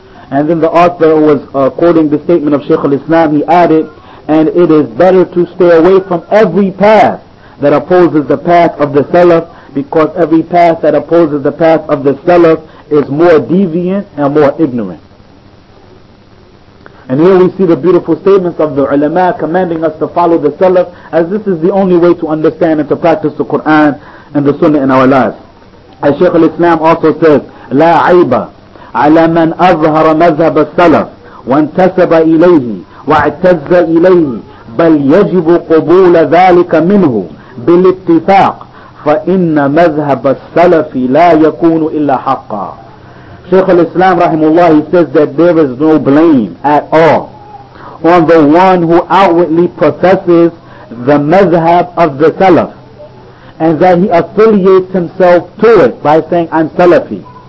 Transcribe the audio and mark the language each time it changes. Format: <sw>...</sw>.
<en>And then the author was quoting the statement of Shaykh al-Islam, he added, and it is better to stay away from every path that opposes the path of the Salaf, because every path that opposes the path of the Salaf is more deviant and more ignorant. And here we see the beautiful statements of the ulama commanding us to follow the Salaf, as this is the only way to understand and to practice the Quran and the Sunnah in our lives. As Shaykh al-Islam also says,</en> <ar>لا عيب على من أظهر مذهب السلف وانتسب إليه واعتز إليه بل يجب قبول ذلك منه بالاتفاق فإن مذهب السلف لا يكون إلا حقا.</ar> <en>Shaykh al-Islam rahimullah, he says that there is no blame at all on the one who outwardly professes the madhab of the Salaf, and that he affiliates himself to it by saying, I'm Salafi.</en>